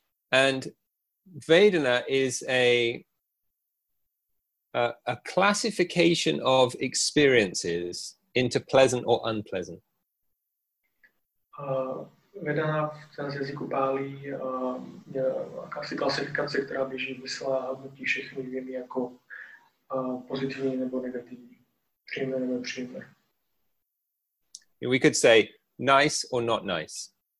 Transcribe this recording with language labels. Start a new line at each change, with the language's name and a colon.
English: And Vedana is a classification of experiences into pleasant or unpleasant.
Czech: Vedana v jazyku Pálí je jakási klasifikace, která běží mysla a hodnotí všechny věmy jako pozitivní nebo negativní, příjemné nebo nepříjemné.
English: We could say nice or not nice.